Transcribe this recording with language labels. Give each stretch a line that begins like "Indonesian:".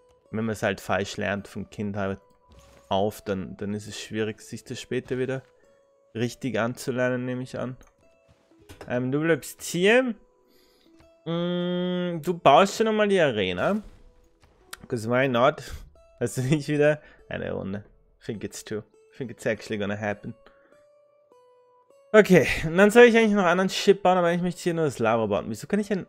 German: Wenn man es halt falsch lernt von Kindheit auf, dann ist es schwierig, sich das später wieder richtig anzulernen, nehme ich an. Du bleibst hier. Du baust schon nochmal die Arena.
English: Because why not?
German: Also nicht wieder eine Runde.
English: I think it's actually gonna happen.
German: Okay, und dann soll ich eigentlich noch einen anderen Ship bauen, aber ich möchte hier nur das Lava bauen. Wieso kann ich denn...